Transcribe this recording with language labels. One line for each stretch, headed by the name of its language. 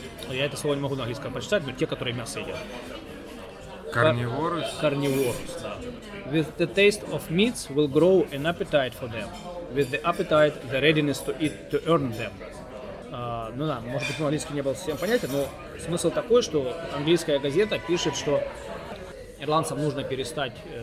Russian: я это слово не могу на английском прочитать, но те, которые мясо едят.
English: Carnivorous?
Russian: Carnivorous, да.
English: With the taste of meats will grow an appetite for them. With the appetite, the readiness to eat, to earn them.
Russian: Ну да, может быть, английский не был совсем понятен, но смысл такой, что английская газета пишет, что ирландцам нужно перестать...